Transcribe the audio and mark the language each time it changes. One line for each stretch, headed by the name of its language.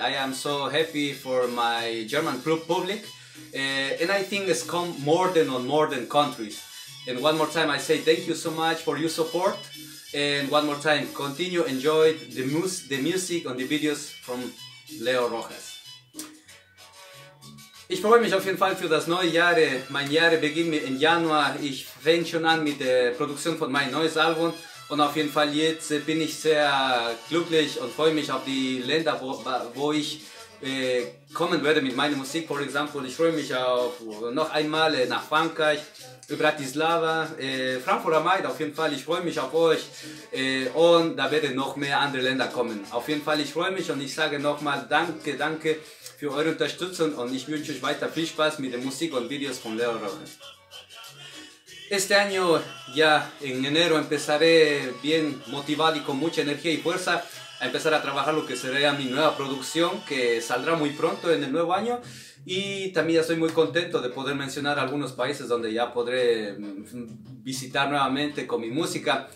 English: I am so happy for my German public. And I think it's come more than countries. And one more time I say thank you so much for your support. And one more time, continue enjoy the music and the videos from Leo Rojas.
German: Ich freue mich auf jeden Fall für das neue Jahr. Mein Jahr beginnt im Januar. Ich fange schon an mit der Produktion von meinem neuen Album. Und auf jeden Fall jetzt bin ich sehr glücklich und freue mich auf die Länder, wo ich kommen werde mit meiner Musik.
English: For example,
German: ich freue mich auf noch einmal nach Frankreich, Bratislava, Frankfurt am Main, auf jeden Fall, ich freue mich auf euch und da werden noch mehr andere Länder kommen. Auf jeden Fall, ich freue mich und ich sage nochmal danke für eure Unterstützung und ich wünsche euch weiter viel Spaß mit der Musik und Videos von Leo Rojas.
Spanish: Este año, ya en enero, empezaré bien motivado y con mucha energía y fuerza a empezar a trabajar lo que será mi nueva producción que saldrá muy pronto en el nuevo año. Y también estoy muy contento de poder mencionar algunos países donde ya podré visitar nuevamente con mi música.